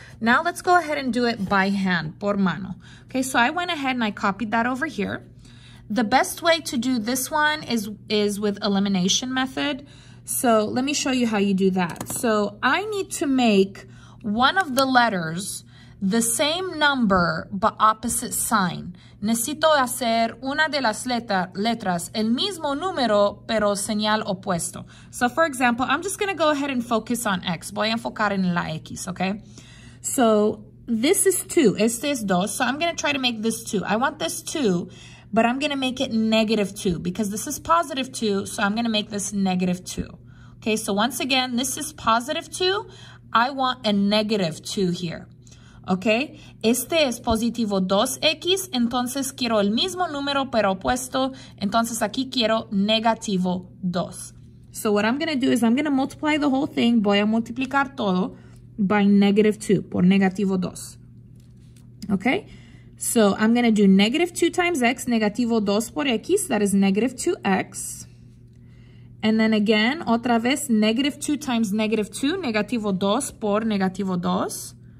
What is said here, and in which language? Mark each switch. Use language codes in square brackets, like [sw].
[en] Now let's go ahead and do it by hand, [es] por mano. [en] Okay, so I went ahead and I copied that over here. The best way to do this one is with elimination method. So let me show you how you do that. So I need to make one of the letters the same number but opposite sign. [es] Necesito hacer una de las letras el mismo número pero señal opuesto. [en] So for example, I'm just going to go ahead and focus on X. [es] Voy a enfocar en la X, [en] okay? So this is 2. [es] Este es 2. [en] So I'm going to try to make this 2. I want this 2, but I'm going to make it negative 2 because this is positive 2. So I'm going to make this negative 2. Okay, so once again, this is positive 2. I want a negative 2 here. [es] Okay, este es positivo 2x, entonces quiero el mismo número pero opuesto, entonces aquí quiero negativo 2. [en] So what I'm going to do is I'm going to multiply the whole thing, [es] voy a multiplicar todo [en] by negative 2, [es] por negativo 2. [en] Okay, so I'm going to do negative 2 times x, [es] negativo 2 por x, [en] that is negative 2x. And then again, [es] otra vez, [en] negative 2 times negative 2, [es] negativo 2 por negativo 2.